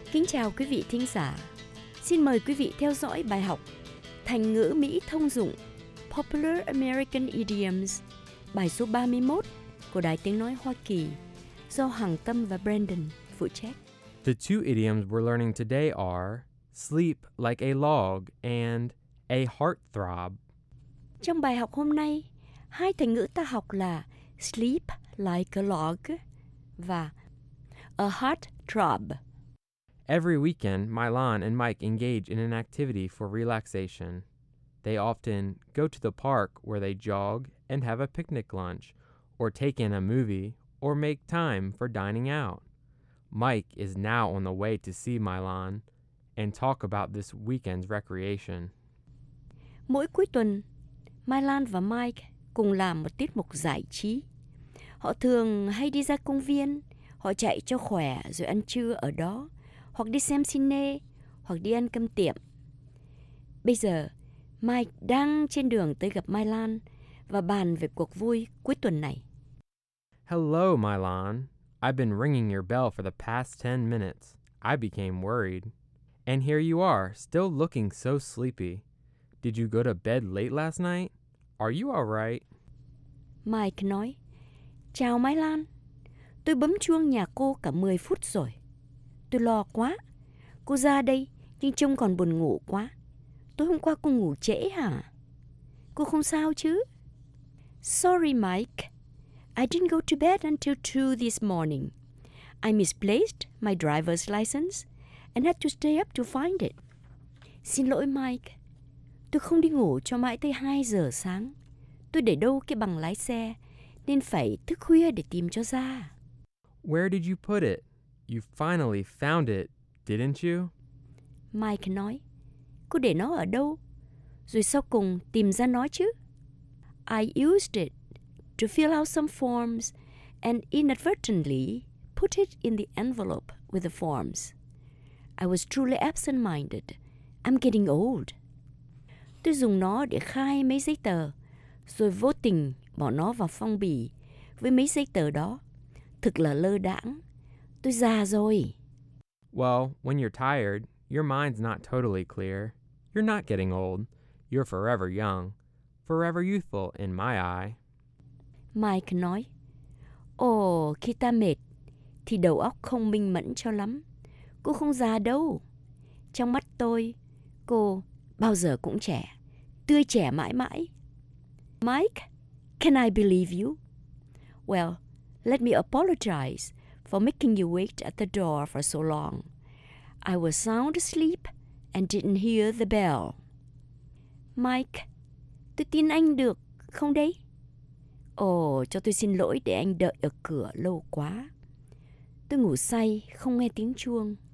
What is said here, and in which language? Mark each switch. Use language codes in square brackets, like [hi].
[vi] Chào quý vị thính giả. Xin mời quý vị theo dõi bài học Thành ngữ Mỹ thông dụng [en] Popular American Idioms, [vi] bài số 31 của Đài Tiếng Nói Hoa Kỳ do Hằng Tâm và Brandon phụ trách. [en] The two idioms we're learning today are sleep like a log and a heartthrob. [vi] Trong bài học hôm nay, hai thành ngữ ta học là [en] sleep like a log [vi] và [en] a heartthrob. Every weekend, Milan and Mike engage in an activity for relaxation. They often go to the park where they jog and have a picnic lunch, or take in a movie, or make time for dining out. Mike is now on the way to see Milan and talk about this weekend's recreation. [vi] Mỗi cuối tuần, Milan và Mike cùng làm một tiết mục giải trí. Họ thường hay đi ra công viên, họ chạy cho khỏe rồi ăn trưa ở đó, hoặc đi xem cine, hoặc đi ăn cơm tiệm. Bây giờ, Mike đang trên đường tới gặp Milan và bàn về cuộc vui cuối tuần này. [en] Hello, Milan. I've been ringing your bell for the past 10 minutes. I became worried. And here you are, still looking so sleepy. Did you go to bed late last night? Are you all right? [vi] Mike nói, Chào Milan. Tôi bấm chuông nhà cô cả 10 phút rồi. Tôi lo quá. Cô ra đây, nhưng trông còn buồn ngủ quá. Tối hôm qua cô ngủ trễ hả? Cô không sao chứ? [en] Sorry, Mike. I didn't go to bed until 2 this morning. I misplaced my driver's license and had to stay up to find it. [vi] Xin lỗi, Mike. Tôi không đi ngủ cho mãi tới 2 giờ sáng. Tôi để đâu cái bằng lái xe nên phải thức khuya để tìm cho ra. [en] Where did you put it? You finally found it, didn't you? [vi] Mike nói. Cô để nó ở đâu? Rồi sau cùng tìm ra nó chứ? [en] I used it to fill out some forms and inadvertently put it in the envelope with the forms. I was truly absent-minded. I'm getting old. [vi] Tôi dùng nó để khai mấy giấy tờ, rồi vô tình bỏ nó vào phong bì với mấy giấy tờ đó. Thực là lơ đãng. Tôi già rồi. [en] Well, when you're tired, your mind's not totally clear. You're not getting old. You're forever young. Forever youthful in my eye. [vi] Mike nói, Ồ, khi ta mệt, thì đầu óc không minh mẫn cho lắm. Cô không già đâu. Trong mắt tôi, cô bao giờ cũng trẻ. Tươi trẻ mãi mãi. [en] Mike, can I believe you? Well, let me apologize for making you wait at the door for so long. I was sound asleep and didn't hear the bell. [vi] Mike, tôi tin anh được, không đấy? Ồ, cho tôi xin lỗi để anh đợi ở cửa lâu quá. Tôi ngủ say, không nghe tiếng chuông.